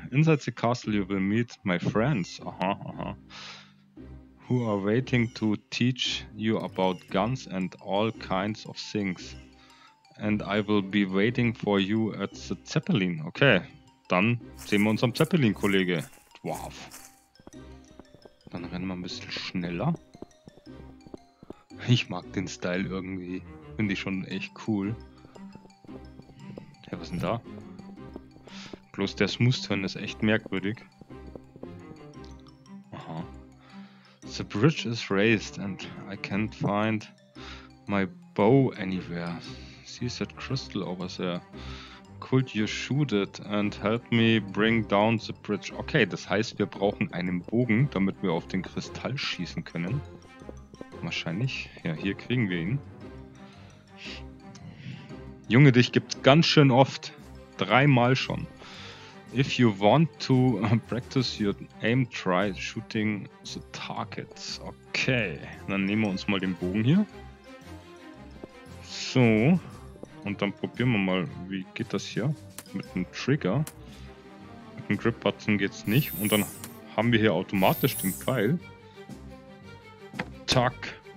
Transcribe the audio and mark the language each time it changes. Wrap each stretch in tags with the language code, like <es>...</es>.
<en>Inside the castle you will meet my friends. Aha, aha. Who are waiting to teach you about guns and all kinds of things. And I will be waiting for you at the Zeppelin.</en> <de>Okay, dann sehen wir uns am Zeppelin, Kollege. Dwarf. Dann rennen wir ein bisschen schneller. Ich mag den Style irgendwie. Finde ich schon echt cool. Hä, was ist denn da? Bloß der Smooth-Turn ist echt merkwürdig. Aha.</de> <en>The bridge is raised and I can't find my bow anywhere. See that crystal over there. Could you shoot it and help me bring down the bridge?</en> <de>Okay, das heißt, wir brauchen einen Bogen, damit wir auf den Kristall schießen können. Wahrscheinlich. Ja, hier kriegen wir ihn. Junge, dich gibt's ganz schön oft. Dreimal schon.</de> <en>If you want to practice your aim, try shooting the targets.</en> <de>Okay, dann nehmen wir uns mal den Bogen hier. So. Und dann probieren wir mal, wie geht das hier mit dem Trigger. Mit dem Grip-Button geht's nicht. Und dann haben wir hier automatisch den Pfeil. Zack.</de>